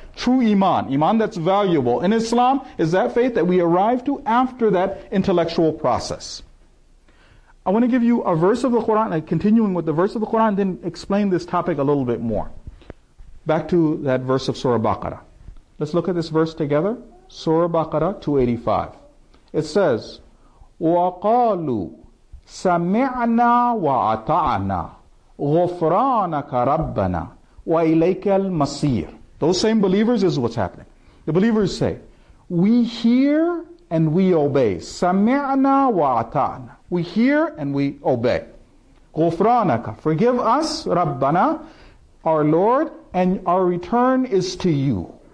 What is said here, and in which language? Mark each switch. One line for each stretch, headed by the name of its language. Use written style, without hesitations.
English: True iman, iman that's valuable in Islam, is that faith that we arrive to after that intellectual process. I want to give you a verse of the Quran, and continuing with the verse of the Quran, then explain this topic a little bit more. Back to that verse of Surah Baqarah. Let's look at this verse together. Surah Baqarah 285. It says,
Arabic: وَقَالُوا سَمِعْنَا وَأَطَعْنَا غُفْرَانَكَ رَبَّنَا وَإِلَيْكَ الْمَصِيرُ.
English: Those same believers is what's happening. The believers say, we hear and we obey.
Arabic: سَمِعْنَا وَأَطَعْنَا.
English: We hear and we obey.
Arabic: غُفْرَانَكَ.
English: Forgive us, رَبَّنَا, our Lord, and our return is to you.